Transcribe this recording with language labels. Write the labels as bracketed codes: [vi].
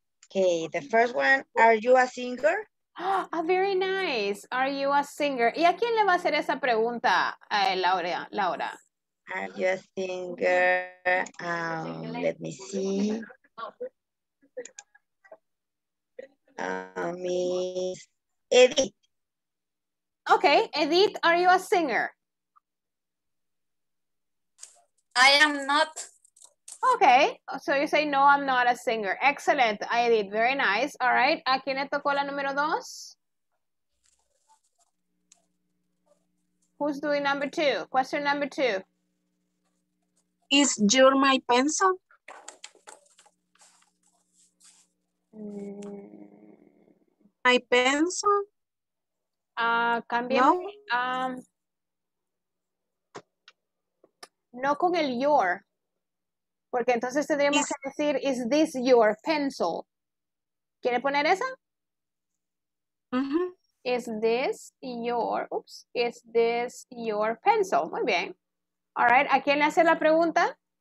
[en] Okay, the first one, are you a singer? Ah, oh, very nice. Are you a singer? [es] ¿Y a quién le va a hacer esa pregunta, Laura? [en] Are you a singer? Let me see. Miss Edith. Okay, Edith, are you a singer? I am not. Okay, so you say, no, I'm not a singer. Excellent, I did. Very nice. [es] All right, ¿a quién le tocó la número 2? [en] Who's doing number 2? Question number 2. Is your my pencil? My pencil? [es] Cambio. No. No con el your, porque entonces tendríamos que decir, is this your pencil? ¿Quiere poner esa? Uh-huh. [en] Is this your, oops, is this your pencil? [es] Muy bien. All right, ¿a quién le hace la pregunta?